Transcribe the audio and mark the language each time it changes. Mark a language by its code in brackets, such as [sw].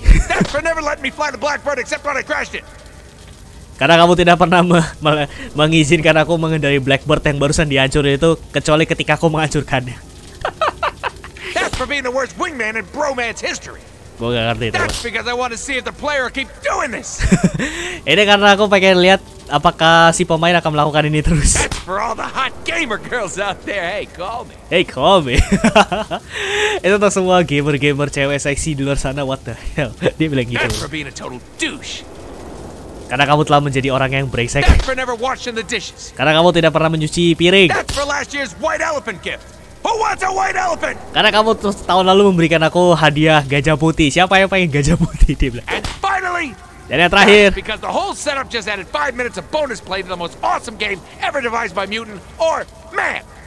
[en] That's for never letting me fly the Blackbird except when I crashed it. [id] Karena kamu tidak pernah mengizinkan aku mengendarai Blackbird yang barusan dihancurin itu kecuali ketika aku menghancurkannya. [en] That's for being the worst wingman in bromance history. [id] Gua gak ngerti itu. [en] That's because I want to see if the player keep doing this. [id] Ini karena aku pengen lihat apakah si pemain akan melakukan ini terus. [en] That's for all the hot gamer girls out there. Hey, call me. Hey, call me. [id] Itu tuh semua gamer-gamer cewek seksi di luar sana. [en] What the hell? [id] Dia bilang gitu. [en] That's for being a total douche. [id] Karena kamu telah menjadi orang yang brengsek. [en] That's for never washing the dishes. [id] Karena kamu tidak pernah mencuci piring. [en] That's for last year's white elephant gift. Who wants a white elephant? [id] Karena kamu terus tahun lalu memberikan aku hadiah gajah putih. Siapa yang pengen gajah putih? Dia bilang. [en] And finally. [id] Dan yang terakhir. [en] Because the whole setup just added 5 minutes of bonus play to the most awesome game ever devised by mutant or man.